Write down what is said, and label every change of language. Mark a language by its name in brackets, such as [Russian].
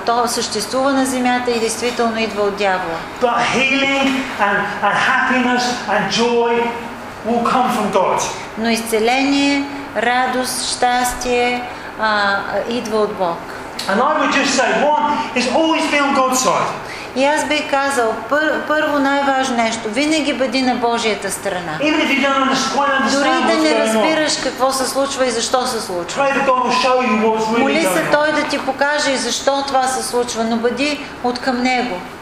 [Bulgarian] То съществува на земята и действително идва от дявола. [English] But healing and happiness and joy will come from God. [Bulgarian] Но изцеление, радост, щастие идва от Бог. [English] And I would just say one is always be on God's side. [Bulgarian] И аз бих казал, първо най-важно нещо, винаги бъди на Божията страна. Дори да не разбираш какво се случва и защо се случва. Моли се Той да ти покаже и защо това се случва, но бъди от към Него.